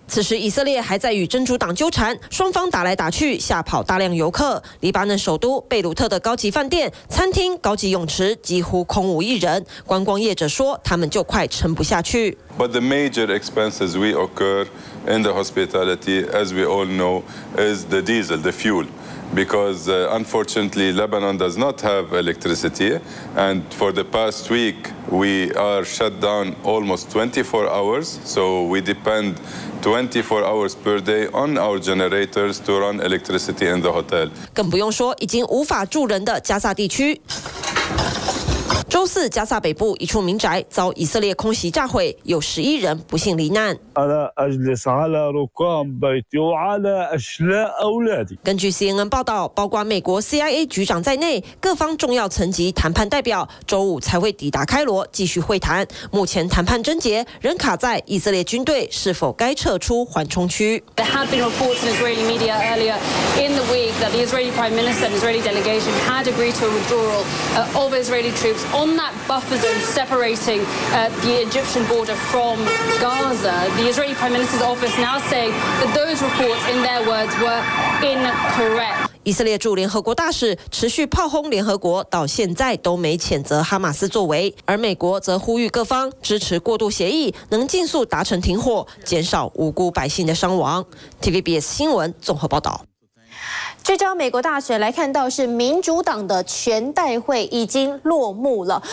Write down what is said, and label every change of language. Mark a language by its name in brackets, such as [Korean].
[Chinese] 此时以色列还在与真主党纠缠，双方打来打去，吓跑大量游客。黎巴嫩首都贝鲁特的高级饭店、餐厅、高级泳池几乎空无一人。观光业者说，他们就快撑不下去。 [English] But the major expenses we occur in the hospitality, as we all know, is the diesel, the fuel. Because unfortunately, Lebanon does not have electricity. And for the past week, we are shut down almost 24 hours. So we depend 24 hours per day on our generators to run electricity in the hotel. [Chinese] 更不用说已经无法住人的加萨地区。周四，加萨北部一处民宅遭以色列空袭炸毁，有11人不幸罹难。根据 CNN 报道，包括美国 CIA 局长在内，各方重要层级谈判代表周五才会抵达开罗继续会谈。目前谈判症结仍卡在以色列军队是否该撤出缓冲区。 [English] There had been reports in Israeli media earlier in the week that the Israeli Prime Minister and Israeli delegation had agreed to a withdrawal of Israeli troops on that buffer zone separating the Egyptian border from Gaza. The Israeli Prime Minister's office now saying that those reports, in their words, were incorrect. [Chinese] 以色列驻联合国大使持续炮轰联合国，到现在都没谴责哈马斯作为，而美国则呼吁各方支持过渡协议，能尽速达成停火，减少无辜百姓的伤亡。 TVBS 新闻综合报道。这招美国大选来看到是民主党的全代会已经落幕了。